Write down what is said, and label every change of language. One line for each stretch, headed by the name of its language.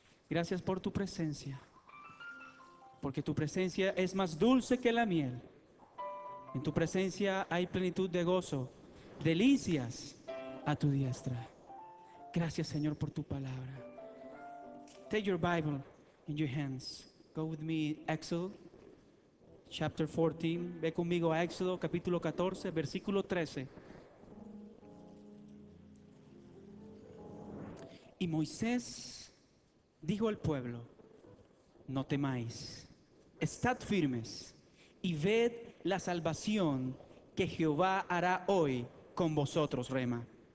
Spanish: Gracias por tu presencia. Porque tu presencia es más dulce que la miel. En tu presencia hay plenitud de gozo, delicias a tu diestra. Gracias, Señor, por tu palabra.
English: Take your Bible in your hands. Go with me, Exodus chapter 14.
Spanish: Ve conmigo a Éxodo, capítulo 14, versículo 13. Y Moisés dijo al pueblo: no temáis, estad firmes y ved la salvación que Jehová hará hoy con vosotros, Rema.